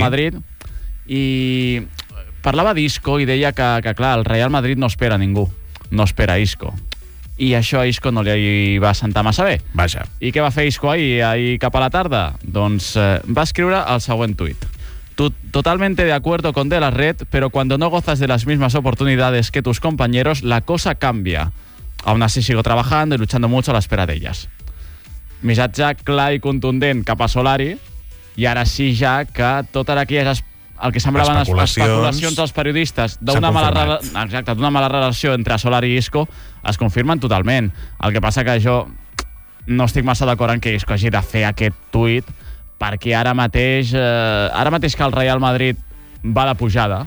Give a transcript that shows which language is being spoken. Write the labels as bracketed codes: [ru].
[ca] Madrid, i parlava d'Isco i deia que clar, el Real Madrid no espera ningú, no espera Isco. I això a Isco no li va sentar massa bé. Vaja. I què va fer Isco ahir cap a la tarda? Doncs va escriure el següent tuit. [es] Totalmente de acuerdo con de la Red, pero cuando no gozas de las mismas oportunidades que tus compañeros, la cosa cambia. Aún así sigo trabajando y luchando mucho a la espera de ellas. [ca] Missatge clar i contundent cap a Solari, i ara sí ja que tot ara aquí és el que semblaven especulacions dels periodistes d'una mala, mala relació entre Solari i Isco es confirmen totalment. El que passa que jo no estic massa d'acord en que Isco hagi de fer aquest tuit, perquè ara mateix que el Real Madrid va de pujada,